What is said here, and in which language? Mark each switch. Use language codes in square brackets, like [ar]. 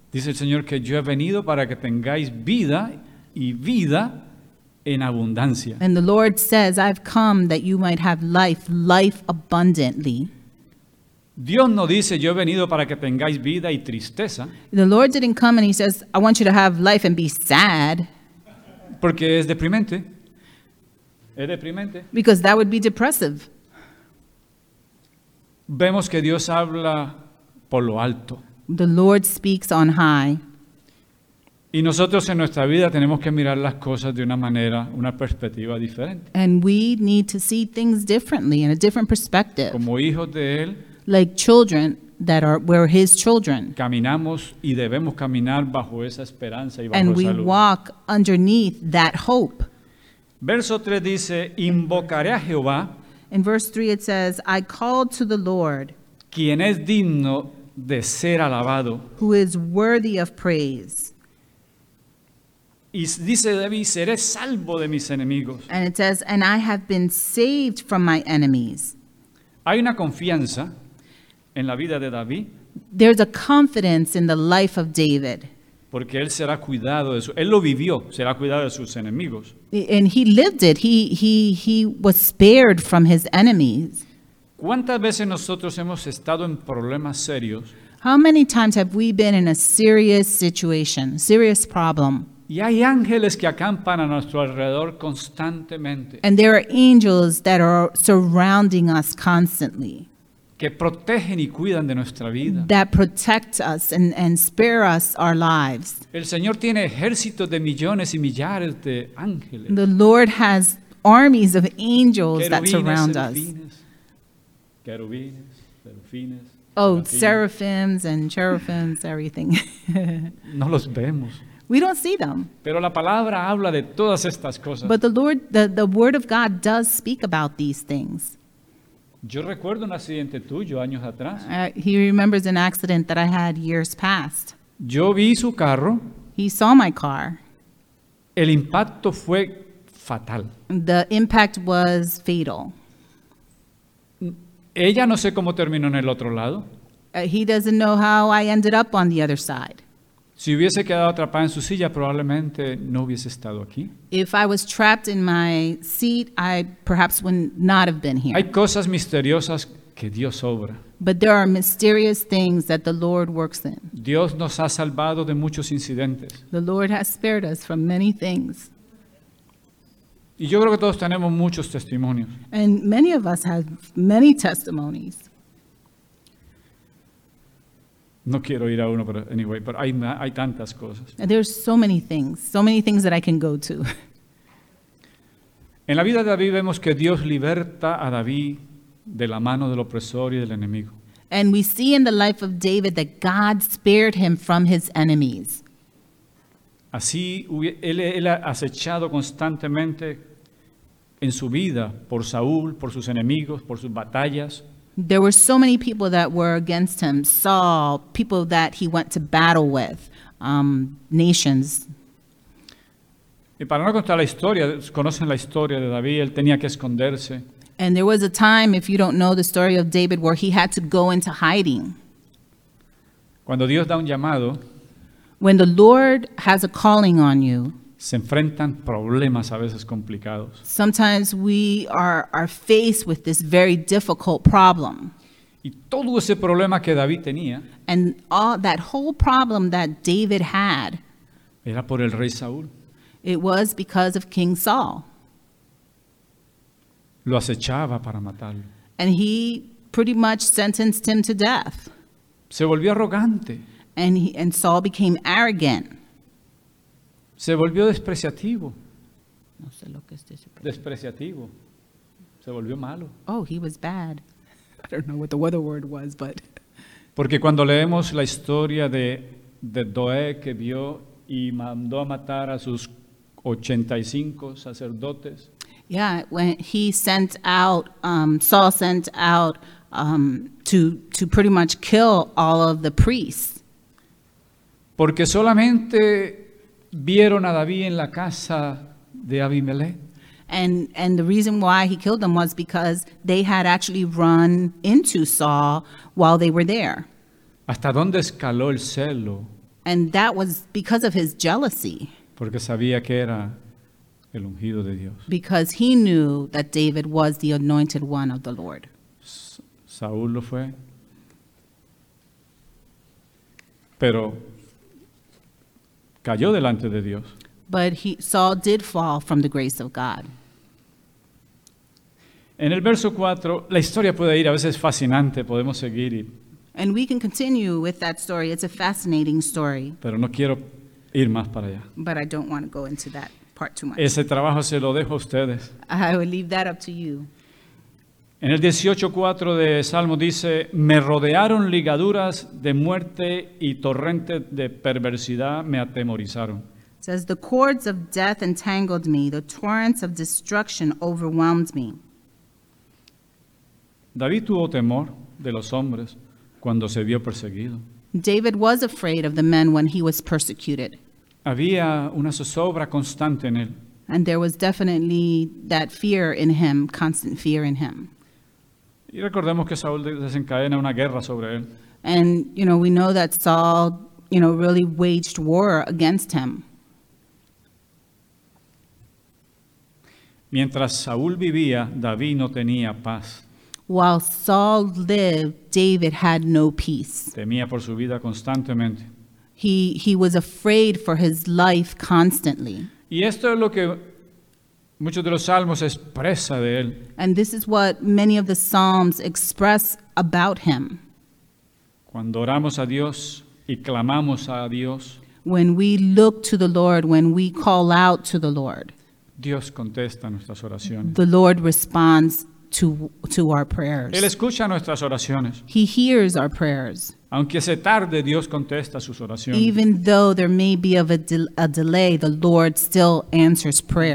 [es] Dice el Señor que yo he venido para que tengáis vida y vida en abundancia. [en] And the Lord says, I've come that you might have life, life abundantly. [es] Dios no dice yo he venido para que tengáis vida y tristeza. [en] The Lord didn't come and He says, I want you to have life and be sad. [es] Porque es deprimente. Es deprimente. [en] Because that would be depressive. [es] Vemos que Dios habla por lo alto. [en] The Lord speaks on high. [es] Y nosotros en nuestra vida tenemos que mirar las cosas de una manera, una perspectiva diferente. [en] And we need to see things differently in a different perspective. [es] Como hijos de Él. [en] Like children that are we're His children. [es] Caminamos y debemos caminar bajo esa esperanza y bajo [en] And [es] esa [en] we [es] luz. [en] Walk underneath that hope. [es] Verso 3 dice, invocaré a Jehová. [en] In verse 3 it says, I called to the Lord. [es] Quien es digno de ser alabado. [en] Who is worthy of praise. [es] Y dice David, seré salvo de mis enemigos. [en] And it says, and I have been saved from my enemies. [es] Hay una confianza en la vida de David. [en] There's a confidence in the life of David. [es] Porque él será cuidado de su, él lo vivió, será cuidado de sus enemigos. [en] And he lived it. He was spared from his enemies. [es] ¿Cuántas veces nosotros hemos estado en problemas serios? [en] How many times have we been in a serious situation, serious problem? [es] Y hay ángeles que acampan a nuestro alrededor constantemente. [en] And there are angels that are surrounding us constantly. [es] Que protegen y cuidan de nuestra vida. [en] That protect us and spare us our lives. [es] El Señor tiene ejércitos de millones y millares de ángeles. [en] The Lord has armies of angels [es] querubines, [en] that surround [es] serafines, [en] us. [es] Querubines, serafines. [en] Oh, serafines. Seraphims and cherubims, everything. [es] No los vemos. [en] We don't see them. [es] Pero la palabra habla de todas estas cosas. [en] But the Lord, the Word of God does speak about these things. [es] Yo recuerdo un accidente tuyo años atrás. [en] He remembers an accident that I had years past. [es] Yo vi su carro. [en] He saw my car. [es] El impacto fue fatal. [en] The impact was fatal. [es] Ella no sé cómo terminó en el otro lado. [en] He doesn't know how I ended up on the other side. [es] Si hubiese quedado atrapada en su silla, probablemente no hubiese estado aquí. [en] If I was trapped in my seat, I perhaps would not have been here. [es] Hay cosas misteriosas que Dios obra. [en] But there are mysterious things that the Lord works in. [es] Dios nos ha salvado de muchos incidentes. [en] The Lord has spared us from many things. [es] Y yo creo que todos tenemos muchos testimonios. [en] And many of us have many testimonies. [es] No quiero ir a uno, pero anyway, pero hay tantas cosas. [en] There's so many things that I can go to. [es] En la vida de David vemos que Dios liberta a David de la mano del opresor y del enemigo. [en] And we see in the life of David that God spared him from his enemies. [es] Así, él ha acechado constantemente en su vida por Saúl, por sus enemigos, por sus batallas. [en] There were so many people that were against him. Saul, people that he went to battle with, nations. [es] Y para no contar la historia, conocen la historia de David, él tenía que esconderse. [en] And there was a time, if you don't know the story of David, where he had to go into hiding. [es] Cuando Dios da un llamado, [en] when the Lord has a calling on you, [es] se enfrentan problemas a veces complicados. [en] Sometimes we are faced with this very difficult problem. [es] Y todo ese problema que David tenía, [en] and all that whole problem that David had, [es] era por el rey Saúl. [en] It was because of King Saul. [es] Lo acechaba para matarlo. [en] And he pretty much sentenced him to death. [es] Se volvió arrogante. [en] And Saul became arrogant. [es] Se volvió despreciativo. No sé lo que es despreciativo. Despreciativo. Se volvió malo. [en] Oh, he was bad. I don't know what the weather word was, but. [es] Porque cuando leemos la historia de Doeg que vio y mandó a matar a sus 85 sacerdotes. [en] Yeah, when he sent out, Saul sent out to pretty much kill all of the priests. [es] Porque solamente vieron a David en la casa de Abimelech. [en] And the reason why he killed them was because they had actually run into Saul while they were there. [es] ¿Hasta dónde escaló el celo? [en] And that was because of his jealousy. [es] Porque sabía que era el ungido de Dios. [en] Because he knew that David was the anointed one of the Lord. [es] Saúl lo fue. Pero cayó delante de Dios. [en] But Saul did fall from the grace of God. [es] En el verso 4, la historia puede ir, a veces es fascinante, podemos seguir. [en] And we can continue with that story. It's a fascinating story. [es] Pero no quiero ir más para allá. [en] But I don't want to go into that part too much. [es] Ese trabajo se lo dejo a ustedes. [en] I will leave that up to you. [es] En el 18:4 de Salmo dice, me rodearon ligaduras de muerte y torrentes de perversidad me atemorizaron. [en] It says, the cords of death entangled me, the torrents of destruction overwhelmed me. [es] David tuvo temor de los hombres cuando se vio perseguido. [en] David was afraid of the men when he was persecuted. [es] Había una zozobra constante en él. [en] And there was definitely that fear in him, constant fear in him. [es] Y recordemos que Saúl desencadena una guerra sobre él. [en] And, you know, we know that Saul, you know, really waged war against him. [es] Mientras Saúl vivía, David no tenía paz. [en] While Saul lived, David had no peace. [es] Temía por su vida constantemente. [en] He was afraid for his life constantly. [es] Y esto es lo que muchos de los salmos expresa de él. [en] And this is what many of the psalms express about him. [es] Cuando oramos a Dios y clamamos a Dios, [en] when we look to the Lord, when we call out to the Lord, [es] Dios contesta nuestras oraciones. [en] The Lord responds to our prayers. [es] Él escucha nuestras oraciones. [en] He hears our prayers. [es] Aunque se tarde, Dios contesta sus oraciones. [en] Even though there may be of a delay, the Lord still answers prayer.